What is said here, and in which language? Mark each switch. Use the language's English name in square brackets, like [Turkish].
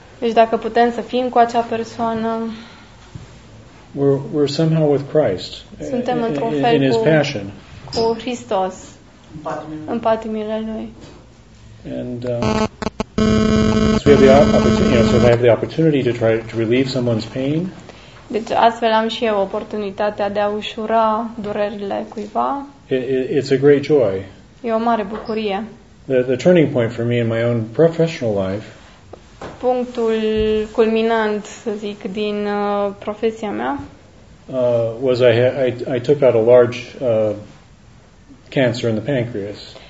[Romanian] deci dacă putem să fim cu acea persoană, [English] we're somehow with Christ. [Romanian] Suntem într-un fel [English] in his passion. [Romanian] Cu Hristos. În patimile lui. [English] And so we have the opportunity, you know, so I have the opportunity to try to relieve someone's pain. [Romanian] Deci astfel am și eu oportunitatea de a ușura durerile cuiva. [English] It's a great joy. [Romanian] E o mare bucurie. [English] The turning point for me in my own professional life. [Romanian] Punctul culminant, să zic, din profesia mea. [English] Was I took out a large cancer in the pancreas.